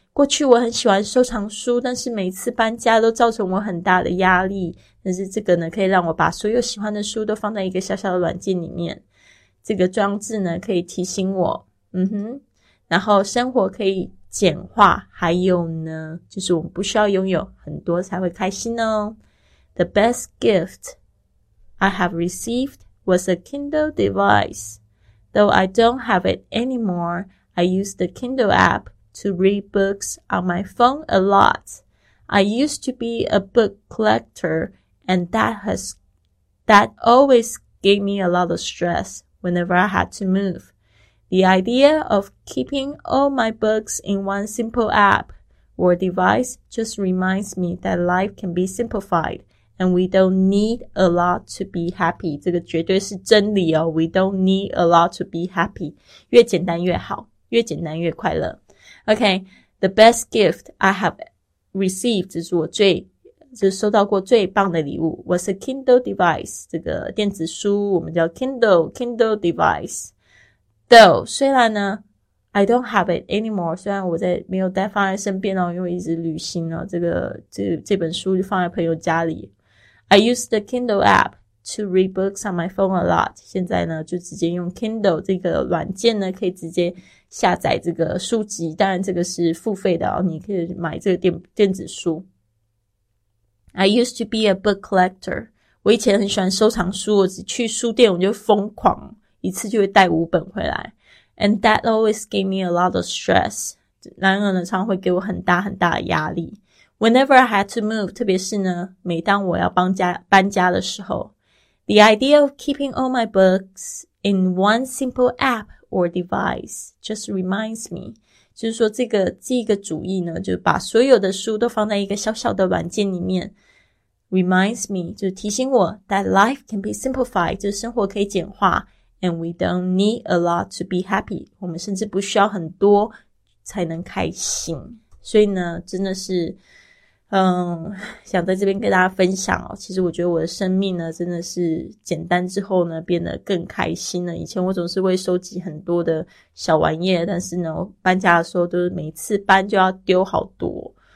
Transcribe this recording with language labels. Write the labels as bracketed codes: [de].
[zh] 过去我很喜欢收藏书，但是每次搬家都造成我很大的压力，但是这个呢可以让我把所有喜欢的书都放在一个小小的软件里面。这个装置呢可以提醒我，然后生活可以简化，还有呢就是我们不需要拥有很多才会开心哦。 [en] The best gift I have received was a Kindle device. Though I don't have it anymore, I use the Kindle app to read books on my phone a lot. I used to be a book collector, and that always gave me a lot of stress whenever I had to move. The idea of keeping all my books in one simple app or device just reminds me that life can be simplified. And we don't need a lot to be happy. [zh] 这个绝对是真理哦。 [en] We don't need a lot to be happy. [zh] 越简单越好，越简单越快乐。 [en] Okay, the best gift I have received, [zh] 这是我最，就收到过最棒的礼物， [en] was a Kindle device. [zh] 这个电子书我们叫 [en] Kindle device. Though, [zh] 虽然呢 [en] I don't have it anymore. [zh] 虽然我在没有带放在身边哦，因为一直旅行哦，这本书就放在朋友家里。 [en] I use the Kindle app to read books on my phone a lot. [zh] 现在呢就直接用 Kindle 这个软件呢可以直接下载这个书籍，当然这个是付费的哦，你可以买这个 电子书。 [en] I used to be a book collector. [zh] 我以前很喜欢收藏书，我只去书店我就疯狂，一次就会带五本回来。 [en] And that always gave me a lot of stress. [zh] 然而呢常常会给我很大很大的压力。 [en] Whenever I had to move, [zh] 特别是呢每当我要搬家的时候。 [en] The idea of keeping all my books in one simple app or device just reminds me, [zh] 就是说这个主意呢就把所有的书都放在一个小小的软件里面， [en] reminds me, [zh] 就提醒我 [en] that life can be simplified, [zh] 就是生活可以简化， [en] and we don't need a lot to be happy, [zh] 我们甚至不需要很多才能开心。所以呢真的是想在这边跟大家分享哦，其实我觉得我的生命呢真的是简单之后呢变得更开心了。以前我总是会收集很多的小玩意，但是呢我搬家的时候都是每次搬就要丢好多。